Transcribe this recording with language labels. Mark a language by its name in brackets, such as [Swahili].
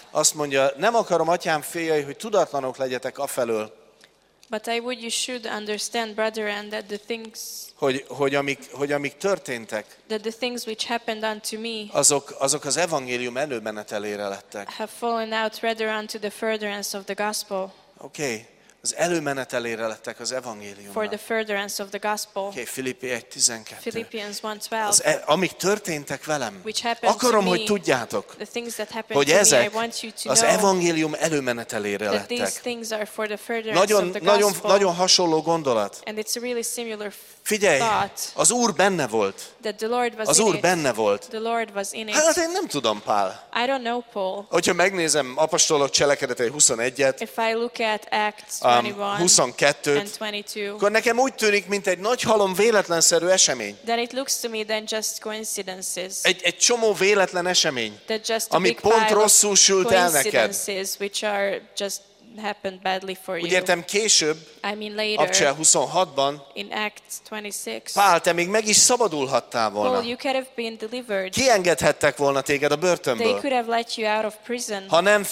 [Hungarian] Azt mondja, nem akarom, atyám fiai, hogy tudatlanok legyetek a felől. [English] But I would you should understand, brethren, that the things [Hungarian] hogy amik történtek, [English] that the things which happened unto me, [Hungarian] azok az evangélium előmenetelére lettek. [English] Have fallen out rather unto the furtherance of the gospel. Okay. [Hungarian] Az előmenetelére lettek az evangéliumnak. [English] For the furtherance of the gospel. [Hungarian] Okay, Filippi 1:12. [English] Philippians 1:12. [Hungarian] Amik történtek velem, [English] which happened [Hungarian] akarom, [English] to [Hungarian] hogy [English] me, [Hungarian] tudjátok, [English] the things that happened [Hungarian] hogy [English] to [Hungarian] ezek [English] me, I want you to [Hungarian] az evangélium előmenetelére [English] that [Hungarian] lettek. [English] These things are for the furtherance [Hungarian] nagyon, [English] of the gospel. [Hungarian] Nagyon, nagyon hasonló gondolat. [English] And it's a really similar [Hungarian] figyelj, [English] thought, [Hungarian] az Úr benne volt. [English] That the Lord was [Hungarian] az Úr [English] in [Hungarian] benne [English] it. [Hungarian] Volt. [English] The Lord was in it. [Hungarian] Hát én nem tudom, Pál. [English] I don't know, Paul. [Hungarian] Hogyha megnézem Apostolok Cselekedetei 21-et, [English] if I look at Acts [Hungarian] 22, [English] and 22. [Hungarian] Akkor nekem úgy tűnik, mint egy nagy halom véletlenszerű esemény. [English] That it looks to me then just coincidences. [Hungarian] Egy csomó véletlen esemény, [English] that just [Hungarian] ami pont rosszul sült el neked. [English] Which are just happened badly for [Hungarian] úgy [English] you. [Hungarian] Úgy értem később, [English] I mean later, Apcsel [Hungarian] 26-ban, [English] in Acts 26, [Hungarian] Pál, te még meg is szabadulhattál volna. [English] Well, you could have been delivered. [Hungarian] Kiengedhettek volna téged a börtönből. [English] They could have let you out of prison.